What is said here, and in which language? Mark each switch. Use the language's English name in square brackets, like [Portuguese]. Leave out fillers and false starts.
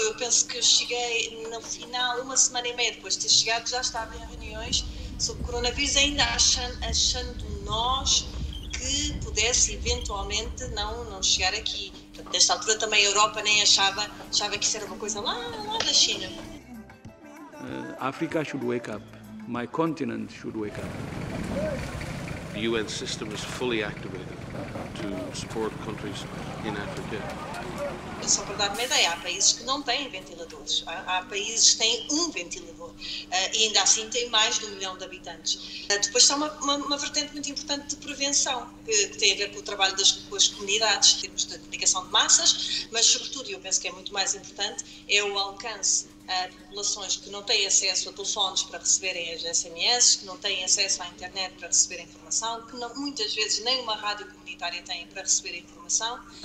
[Portuguese] Eu penso que cheguei no final, uma semana e meia depois de ter chegado, já estava em reuniões sobre coronavírus, ainda achando nós que pudesse eventualmente não chegar aqui. Portanto, nesta altura também a Europa nem achava que isso era uma coisa lá da China. [English] África should wake up. My continent should wake up. The UN system is fully activated to support countries in Africa. [Portuguese] Só para dar uma ideia, há países que não têm ventiladores. Há países que têm um ventilador. E ainda assim têm mais de 1 milhão de habitantes. Depois está uma vertente muito importante de prevenção, que tem a ver com o trabalho das com as comunidades, em termos de comunicação de massas, mas sobretudo, e eu penso que é muito mais importante, é o alcance a populações que não têm acesso a telefones para receberem as SMS, que não têm acesso à internet para receber informação, que não, muitas vezes nem uma rádio comunitária tem para receber informação.